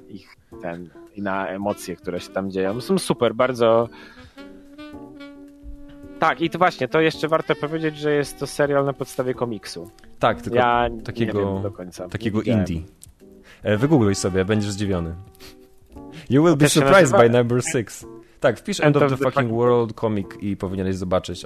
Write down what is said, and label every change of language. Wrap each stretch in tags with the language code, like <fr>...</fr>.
<pl>Ich ten, i na emocje, które się tam dzieją. Są super, bardzo... Tak, i to właśnie, to jeszcze warto powiedzieć, że jest to serial na podstawie komiksu. Tak, tylko ja takiego, nie wiem do końca. Takiego indie. Wygoogluj sobie, będziesz zdziwiony.</pl> <en>You will be surprised by number 6.</en> <pl>Tak, wpisz End of the Fucking World comic i powinieneś zobaczyć.</pl>